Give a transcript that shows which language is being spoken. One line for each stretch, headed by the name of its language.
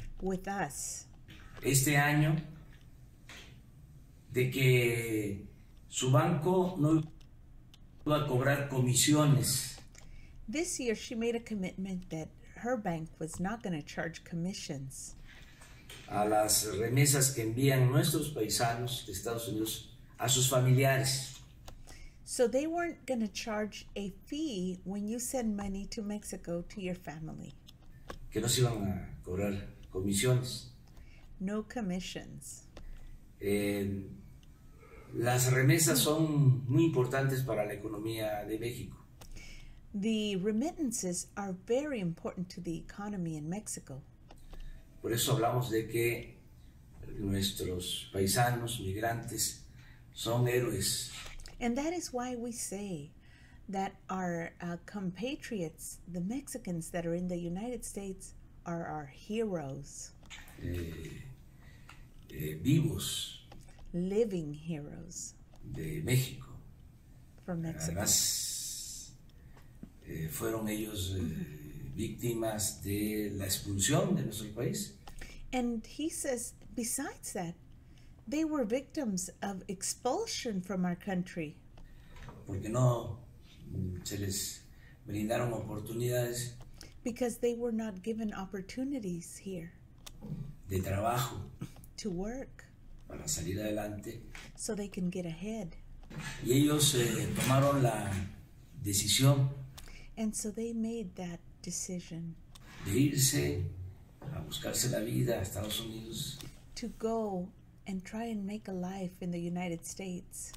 English: With us.
Spanish: Este año. De que su banco no iba a cobrar comisiones.
English: This year she made a commitment that her bank was not going to charge commissions.
Spanish: A las remesas que envían nuestros paisanos de Estados Unidos a sus familiares.
English: So they weren't going to charge a fee when you send money to Mexico to your family.
Spanish: Que no se iban a cobrar comisiones.
English: No commissions.
Spanish: Las remesas son muy importantes para la economía de México.
English: The remittances are very important to the economy in Mexico.
Spanish: Por eso hablamos de que nuestros paisanos, migrantes, son héroes.
English: And that is why we say that our compatriots, the Mexicans that are in the United States, are our heroes.
Spanish: Vivos.
English: Living heroes.
Spanish: De México.
English: From Mexico.
Spanish: Además, fueron ellos víctimas de la expulsión de nuestro país.
English: And he says, besides that, they were victims of expulsion from our country.
Spanish: Porque no se les brindaron oportunidades.
English: Because they were not given opportunities here.
Spanish: De trabajo.
English: To work.
Spanish: Para salir adelante.
English: So they can get ahead.
Spanish: Y ellos tomaron la decisión.
English: And so they made that decision.
Spanish: De irse a buscarse la vida a Estados Unidos.
English: To go and try and make a life in the United States.